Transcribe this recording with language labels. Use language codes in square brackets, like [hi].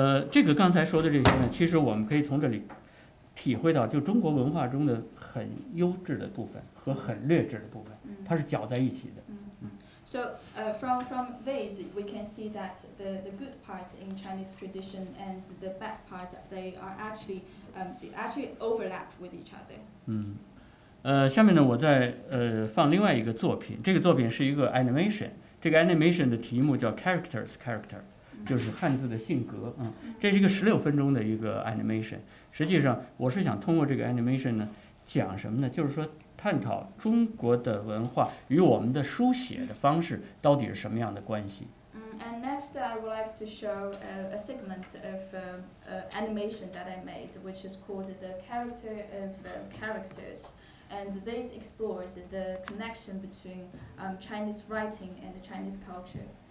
[zh] 这个刚才说的这些呢，其实我们可以从这里体会到，就中国文化中的很优质的部分和很劣质的部分，它是搅在一起的。 [en] So, from these, we can see that the good parts in Chinese tradition and the bad parts, they are actually overlap with each other. [zh] 下面呢，我再放另外一个作品。这个作品是一个 animation， 这个 animation 的题目叫 character， 就是汉字的性格。这是一个16分钟的一个 animation。实际上，我是想通过这个 animation 呢，讲什么呢？就是说，探讨中国的文化与我们的书写的方式到底是什么样的关系。 [en] And next, I would like to show a segment of animation that I made, which is called the Character of Characters, and this explores the connection between Chinese writing and Chinese culture.